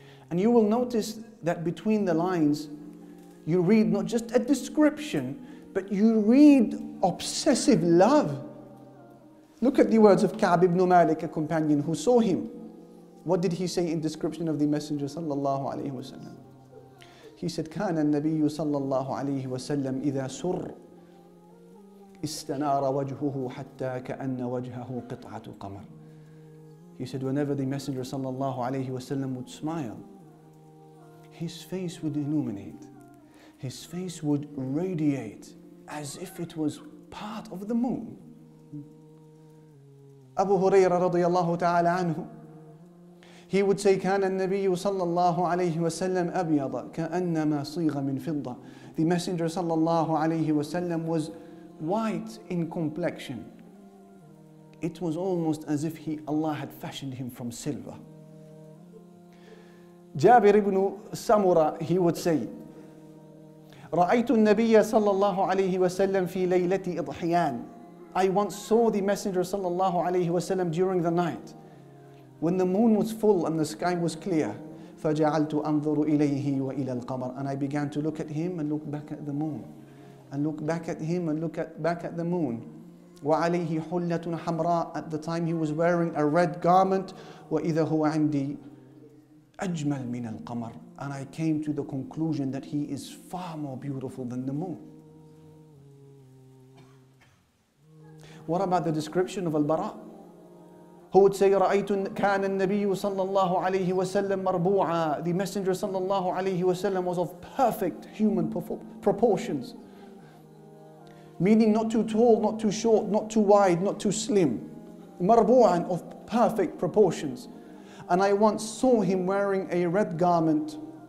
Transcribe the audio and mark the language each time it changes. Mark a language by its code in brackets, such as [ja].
[en] And you will notice that between the lines, you read not just a description, but you read obsessive love. Look at the words of Ka'b ibn Malik, a companion who saw him. What did he say in description of the Messenger [ar] sallallahu alayhi wa sallam? [en] He said, [ar] كَانَ النَّبِيُّ sallallahu alayhi wa sallam إِذَا سُرَّ إِسْتَنَارَ وَجْهُهُ حَتَّى كَأَنَّ وَجْهَهُ قِطْعَةُ قَمَرٍ. [en] He said, whenever the Messenger [ar] sallallahu alayhi wa sallam [en] would smile, his face would illuminate, his face would radiate as if it was part of the moon. [ar] Abu Huraira radiyallahu ta'ala anhu, [en] he would say, [ar] كان النبي صلى الله عليه وسلم أبيض كأنما صيغ من فضة. [en] The Messenger [ar] صلى الله عليه وسلم [en] was white in complexion. It was almost as if Allah had fashioned him from silver. [ar] Jabir ibn Samura, [en] he would say, [ar] رأيت النبي صلى الله عليه وسلم في ليلة إضحيان. [en] I once saw the Messenger [ar] صلى الله عليه وسلم [en] during the night, when the moon was full and the sky was clear. [ar] فَجَعَلْتُ أَنظُرُ إِلَيْهِ وَإِلَى الْقَمَرِ. [en] And I began to look at him and look back at the moon. And look back at him and look back at the moon. [ar] وَعَلَيْهِ حُلَّةٌ حَمْرَاءَ. [en] At the time he was wearing a red garment. [ar] وَإِذَا هُوَ عِنْدِي أَجْمَلْ مِنَ الْقَمَرِ. [en] And I came to the conclusion that he is far more beautiful than the moon. What about the description of Al-Bara? Who would say, [ar] رَأَيْتُ كَانَ النَّبِيُّ صَلَّى اللَّهُ عَلَيْهِ وَسَلَّمْ مَرْبُوعًا. [en] The Messenger [ar] صَلَّى اللَّهُ عَلَيْهِ وَسَلَّمْ [en] was of perfect human proportions. Meaning not too tall, not too short, not too wide, not too slim. مَرْبُوعًا, of perfect proportions. And I once saw him wearing a red garment.